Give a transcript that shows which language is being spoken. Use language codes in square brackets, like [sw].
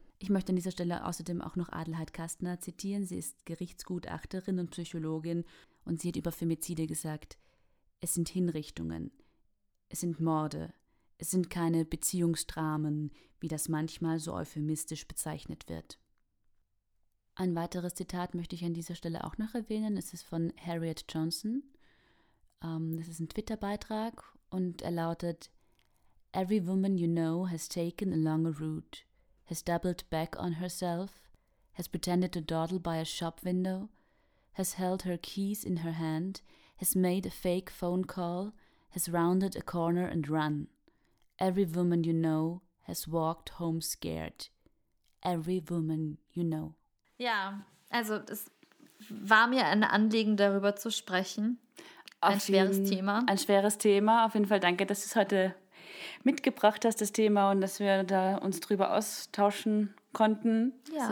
[de] Ich möchte an dieser Stelle außerdem auch noch Adelheid Kastner zitieren. Sie ist Gerichtsgutachterin und Psychologin und sie hat über Femizide gesagt: Es sind Hinrichtungen, es sind Morde, es sind keine Beziehungsdramen, wie das manchmal so euphemistisch bezeichnet wird. Ein weiteres Zitat möchte ich an dieser Stelle auch noch erwähnen. Es ist von Harriet Johnson. Das ist ein Twitter-Beitrag und er lautet: [en] Every woman you know has taken a longer route, has doubled back on herself, has pretended to dawdle by a shop window, has held her keys in her hand, has made a fake phone call, has rounded a corner and run. Every woman you know has walked home scared. Every woman you know. [de] Ja, also es war mir ein Anliegen, darüber zu sprechen. Ein schweres Thema. Auf jeden Fall danke, dass du es heute mitgebracht hast, das Thema, und dass wir da uns darüber austauschen konnten. Ja.